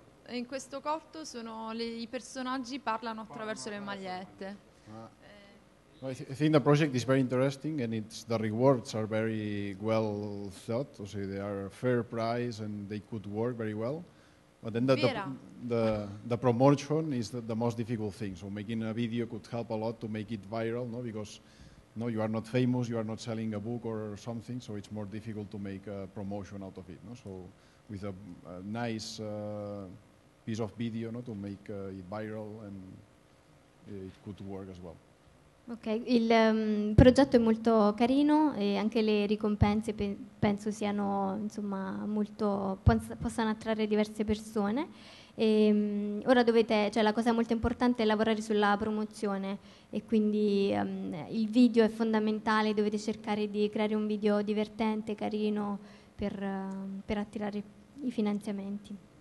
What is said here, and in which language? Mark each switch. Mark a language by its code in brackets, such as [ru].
[it] In questo corto i personaggi parlano attraverso le magliette. [en] I think the project is very interesting and the rewards are very well thought. So they are a fair price and they could work very well. But then the promotion is the most difficult thing. So making a video could help a lot to make it viral, no? Because no, you are not famous, you are not selling a book or something, so it's more difficult to make a promotion out of it, no? So with a nice piece of video, no, to make it viral and it could work as well. [it] Ok, il progetto è molto carino e anche le ricompense penso siano, insomma, molto possano attrarre diverse persone. E ora la cosa molto importante è lavorare sulla promozione, e quindi il video è fondamentale, dovete cercare di creare un video divertente, carino per attirare i finanziamenti.